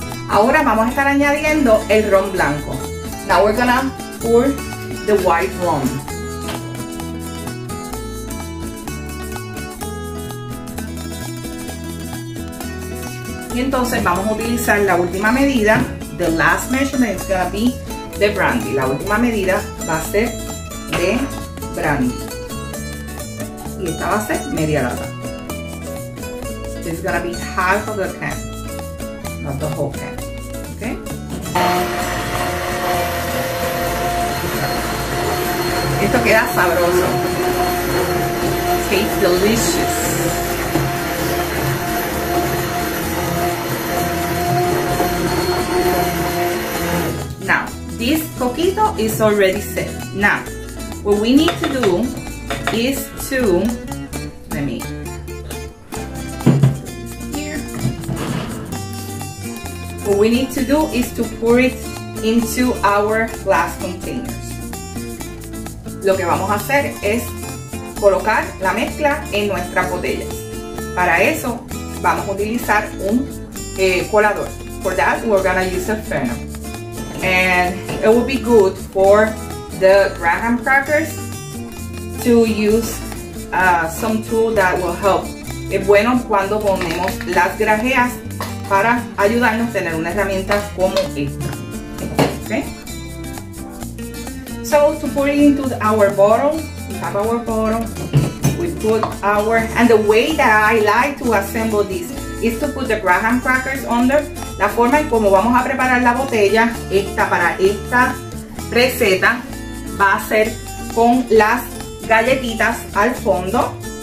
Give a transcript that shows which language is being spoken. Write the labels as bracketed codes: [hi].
[es] Ahora vamos a estar añadiendo el ron blanco. [en] Now we're gonna pour the white rum. [es] Y entonces vamos a utilizar la última medida. [en] The last measurement is gonna be the brandy. [es] La última medida va a ser de brandy. Y esta va a ser media lata. [en] This is gonna be half of the can, not the whole can. Okay? [es] Esto queda sabroso. [en] Tastes delicious. This coquito is already set. Now, what we need to do is to, let me, what we need to do is to pour it into our glass containers. [es] Lo que vamos a hacer es colocar la mezcla en nuestras botellas. Para eso, vamos a utilizar un colador. [en] For that, we're gonna use a funnel. And it would be good for the graham crackers to use some tool that will help. [es] Es bueno cuando ponemos las grajeas para ayudarnos a tener una herramienta como esta. [en] Okay? So to put it into our bottle, we have our bottle, we put our, and the way that I like to assemble this is to put the graham crackers under. [es] La forma en cómo vamos a preparar la botella esta para esta receta va a ser con las galletitas al fondo.